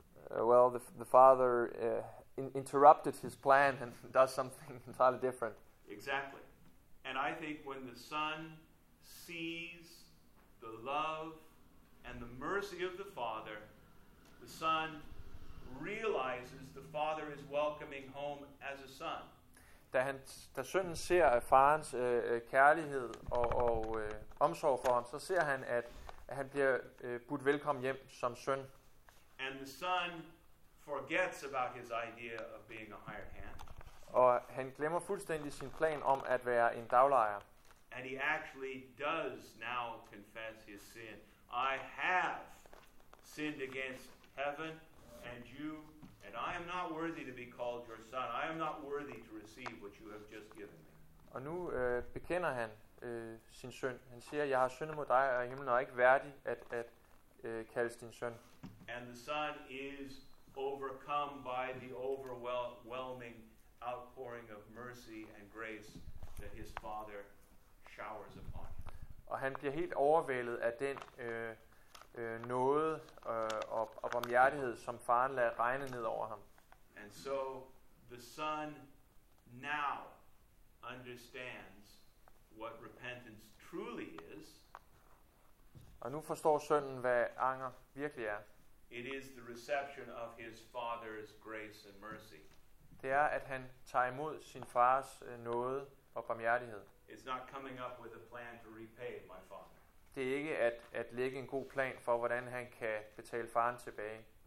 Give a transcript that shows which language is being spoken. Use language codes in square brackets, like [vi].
[en] Well, the father interrupted his plan and does something entirely different. Exactly. And I think when the son sees the love and the mercy of the father, the son realizes the father is welcoming home as a son. [da] Da sønnen ser farens kærlighed og omsorg for ham, så ser han, at han bliver budt velkommen hjem som søn. [en] And the son forgets about his idea of being a hired hand. [da] Og han glemmer fuldstændig sin plan om at være en daglejer. [en] And he actually does now confess his sin. I have sinned against heaven and you. And I am not worthy to be called your son. I am not worthy to receive what you have just given me. [da] Og nu bekender han sin synd. Han siger, jeg har syndet mod dig og himlen, og er ikke værdig at kaldes din søn. [en] And the son is overcome by the overwhelming outpouring of mercy and grace that his father shows. showers upon him. [da] Og han bliver helt overvældet af den nåde og barmhjertighed, som faren lader regne ned over ham. [en] And so the son now understands what repentance truly is. [da] Og nu forstår sønnen, hvad anger virkelig er. [en] It is the reception of his father's grace and mercy. [da] Det er, at han tager imod sin fars nåde og barmhjertighed. [en] It's not coming up with a plan to repay my father. [da] Det er ikke at lægge en god plan for, hvordan han kan betale faren tilbage.